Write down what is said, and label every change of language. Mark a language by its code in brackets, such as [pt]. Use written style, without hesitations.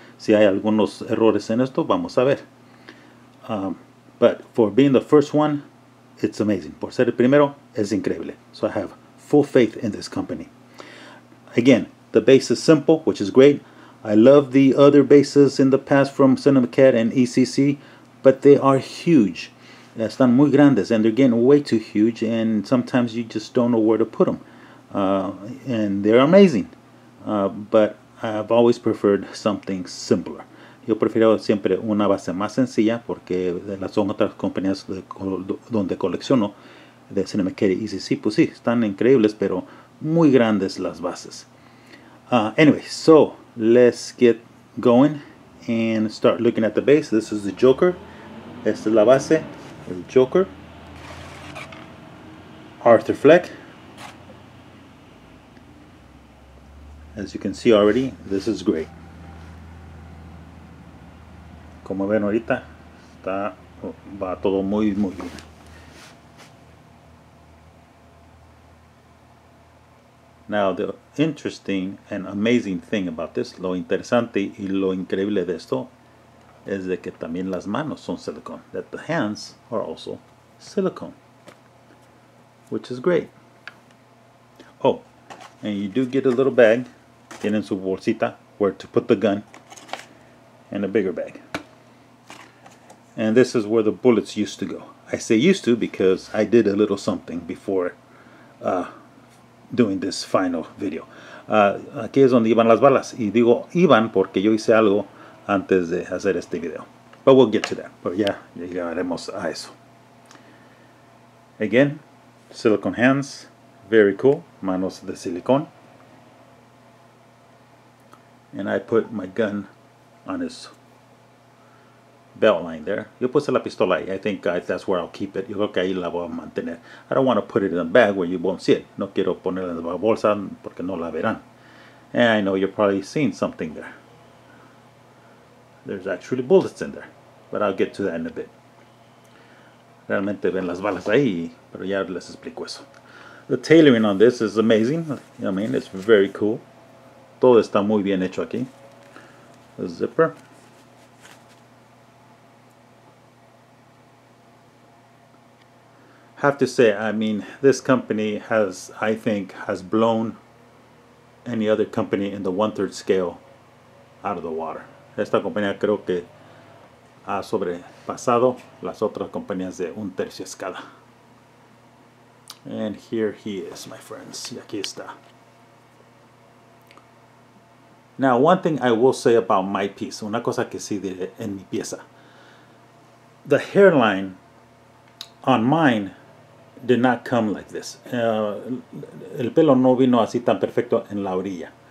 [es] Si hay algunos errores en esto, vamos a ver. [en] But for being the first one, it's amazing. [es] Por ser el primero, es increíble. [en] So I have full faith in this company. Again, the base is simple, which is great. I love the other bases in the past from CinemaCat and ECC, but they are huge. [es] Están muy grandes, [en] and they're getting way too huge, and sometimes you just don't know where to put them. And they're amazing, but I've always preferred something simpler. [es] Yo prefiero siempre una base más sencilla, porque las otras compañías donde colecciono, de CinemaCat y ECC, pues sí, están increíbles, pero muy grandes las bases. [en] Anyway, so let's get going and start looking at the base. This is the Joker. [es] Esta es la base, el Joker. Arthur Fleck. [en] As you can see already, this is great. [es] Como ven ahorita, está va todo muy muy bien. [en] Now, the interesting and amazing thing about this, [es] lo interesante y lo increíble de esto, es de que también las manos son silicone. [en] That the hands are also silicone. Which is great. Oh, and you do get a little bag. [es] Tienen su bolsita, [en] where to put the gun. And a bigger bag. And this is where the bullets used to go. I say used to because I did a little something before doing this final video. [es] Aquí es donde iban las balas. Y digo iban porque yo hice algo antes de hacer este video. [en] But we'll get to that. But yeah, [es] llegaremos a eso. [en] Again, silicone hands. Very cool. [es] Manos de silicone. [en] And I put my gun on his belt line there. [es] Yo puse la pistola ahí. [en] I think that's where I'll keep it. [es] Yo creo que ahí la voy a mantener. [en] I don't want to put it in a bag where you won't see it. [es] No quiero ponerla en la bolsa porque no la verán. [en] And I know you're probably seeing something there. There's actually bullets in there. But I'll get to that in a bit. [es] Realmente ven las balas ahí, pero ya les explico eso. [en] The tailoring on this is amazing. You know what I mean? It's very cool. [es] Todo está muy bien hecho aquí. [en] The zipper. Have to say, I mean, this company has, I think, has blown any other company in the 1/3 scale out of the water. [es] Esta compañía creo que ha sobrepasado las otras compañías de 1/3 escala. [en] And here he is, my friends. [es] Y aquí está. [en] Now, one thing I will say about my piece, [es] una cosa que sí diré en mi pieza. [en] The hairline on mine did not come like this. [es] El pelo no vino así tan perfecto en la orilla.